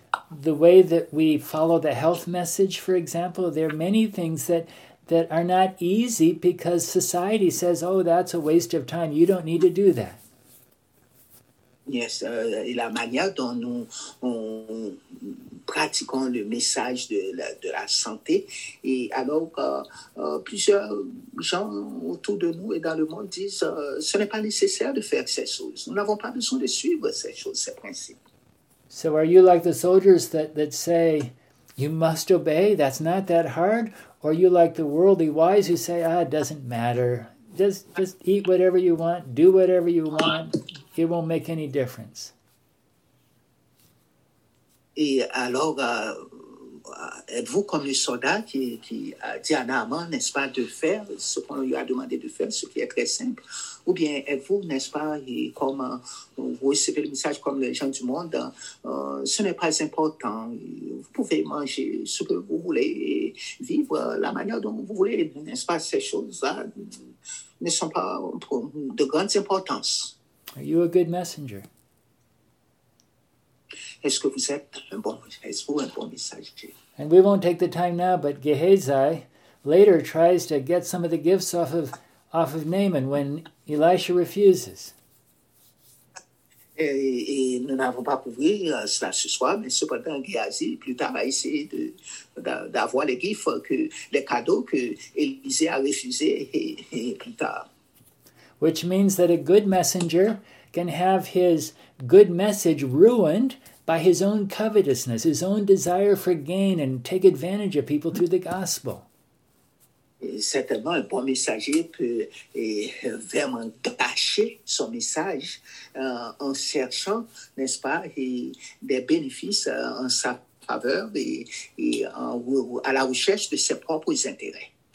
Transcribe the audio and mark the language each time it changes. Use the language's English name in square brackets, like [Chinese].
[English] The way that we follow the health message, for example, there are many things that are not easy because society says, oh, that's a waste of time. You don't need to do that. [French] Yes, et la manière dont nous pratiquons le message de la santé, et alors plusieurs gens autour de nous et dans le monde disent, ce n'est pas nécessaire de faire ces choses. Nous n'avons pas besoin de suivre ces choses, ces principes. [English] So are you like the soldiers that say, you must obey, that's not that hard? Or are you like the worldly wise who say, it doesn't matter. Just eat whatever you want, do whatever you want, It won't make any difference. [French] Et alors, êtes-vous comme le soldat qui a dit à Naaman, n'est-ce pas, de faire ce qu'on lui a demandé de faire, ce qui est très simple? Ou bien êtes-vous, n'est-ce pas, comme vous recevez le message comme les gens du monde, ce n'est pas important, vous pouvez manger ce que vous voulez et vivre la manière dont vous voulez, n'est-ce pas, ces choses-là ne sont pas de grande importance. [English] Are you a good messenger? [French] Est-ce que vous êtes un bon messager? [English] And we won't take the time now, but Gehazi later tries to get some of the gifts off of Naaman when Elisha refuses. [French] Et nous n'avons pas couvert cela ce soir, mais cependant Gehazi plus tard a essayé d'avoir les gifts que les cadeaux que Élisée a refusé et plus tard. [English] Which means that a good messenger can have his good message ruined by his own covetousness, his own desire for gain and take advantage of people through the gospel. [French] Certainement, un bon messager peut vraiment gâcher son message en cherchant, n'est-ce pas, des bénéfices en sa faveur et à la recherche de ses propres intérêts.